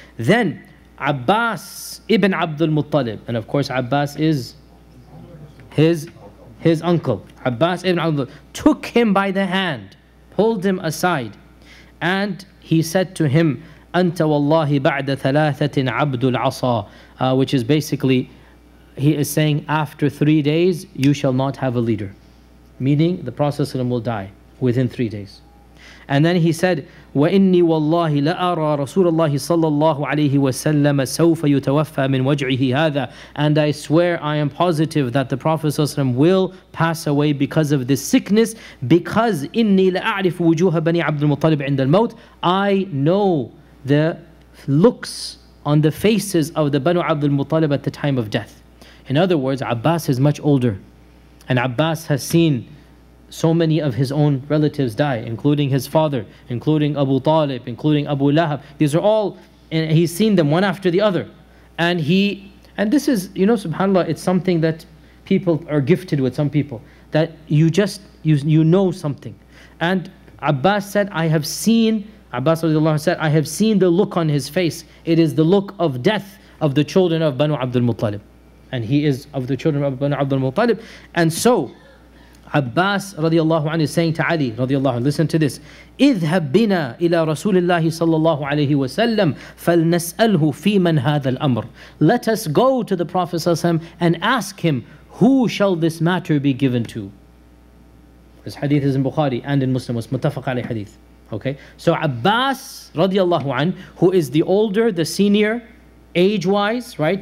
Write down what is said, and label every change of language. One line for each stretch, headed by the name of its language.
English: Then Abbas ibn Abdul Muttalib, and of course Abbas is his uncle, Abbas ibn Abdul, took him by the hand, pulled him aside, and he said to him,
Arabic: Anta wallahi ba'da thalathatin abdul asa,
English: which is basically, he is saying, after 3 days, you shall not have a leader. Meaning, the Prophet ﷺ will die within 3 days. And then he said,
Arabic: وَإِنِّي وَاللَّهِ لَأَرَى رَسُولَ اللَّهِ صَلَّى اللَّهُ عَلَيْهِ وَسَلَّمَ سَوْفَ يُتَوَفَّى مِنْ وَجْعِهِ هَذَا.
English: And I swear, I am positive that the Prophet ﷺ will pass away because of this sickness, because
Arabic: إِنِّي لَأَعْرِفُ وُجُوهَ بَنِي عَبْدُ الْمُطَلِبِ عِنْدَ الْمَوْتِ.
English: I know the looks on the faces of the Banu Abd al-Muttalib at the time of death. In other words, Abbas is much older. And Abbas has seen so many of his own relatives die, including his father, including Abu Talib, including Abu Lahab. These are all, and he's seen them one after the other. And this is, you know, subhanAllah, it's something that people are gifted with, some people, that you just, you know something. And Abbas said, I have seen the look on his face. It is the look of death of the children of Banu Abdul Muttalib. And he is of the children of Banu Abdul Muttalib. And so, Abbas radiallahu anhu is saying to Ali radiallahu anhu, listen to this.
Arabic: اذهب بنا إلى رسول الله صلى الله عليه وسلم فلنسأله في من هذا الأمر.
English: Let us go to the Prophet صلى الله عليه وسلم and ask him, who shall this matter be given to? This hadith is in Bukhari and in Muslim. It's متفق عليه hadith. Okay. So Abbas radiallahu anhu, who is the older, the senior, age-wise, right?